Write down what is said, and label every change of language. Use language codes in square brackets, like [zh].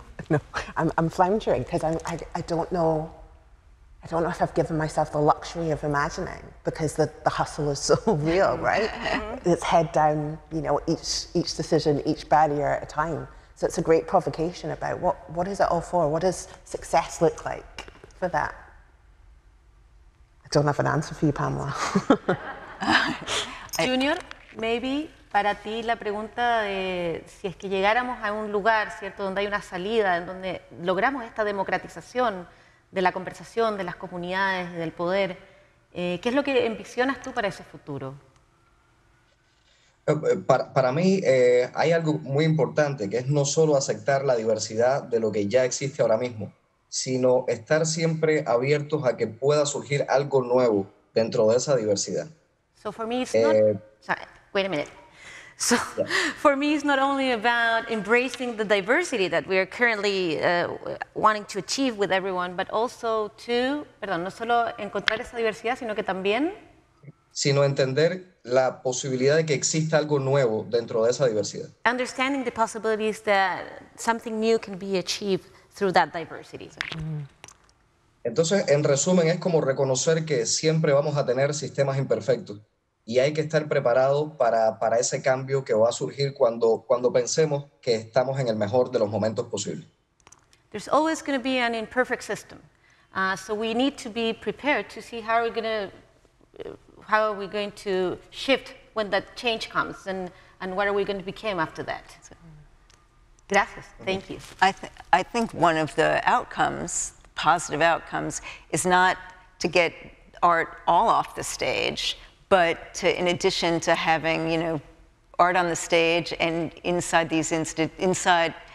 [en] No, I'm floundering because I don't know if I've given myself the luxury of imagining because the hustle is so real, right? Mm-hmm. It's head down, you know, each decision, each barrier at a time. So it's a great provocation about what is it all for? What does success look like for that? I don't have an answer for you, Pamela. Junior, maybe? [es] Para ti la pregunta de si es que llegáramos a un lugar, ¿cierto?, donde hay una salida, en donde logramos esta democratización de la conversación, de las comunidades, del poder, ¿qué es lo que envisionas tú para ese futuro? Para mí hay algo muy importante, que es no solo aceptar la diversidad de lo que ya existe ahora mismo, sino estar siempre abiertos a que pueda surgir algo nuevo dentro de esa diversidad. [en] So for me it's wait a minute. So for me, it's not only about embracing the diversity that we are currently wanting to achieve with everyone, but also to, [es] perdón, no solo encontrar esa diversidad, sino que también... Sino entender la posibilidad de que exista algo nuevo dentro de esa diversidad. [en] Understanding the possibilities that something new can be achieved through that diversity. [es] Entonces, en resumen, es como reconocer que siempre vamos a tener sistemas imperfectos. Y hay que estar preparado para ese cambio que va a surgir cuando pensemos que estamos en el mejor de los momentos posibles. [en] There's always going to be an imperfect system. So we need to be prepared to see how are we going to shift when that change comes and what are we going to become after that. So. Gracias. Thank you. I think one of the outcomes, positive outcomes, is not to get art all off the stage, but to, in addition to having, you know, art on the stage and inside these inside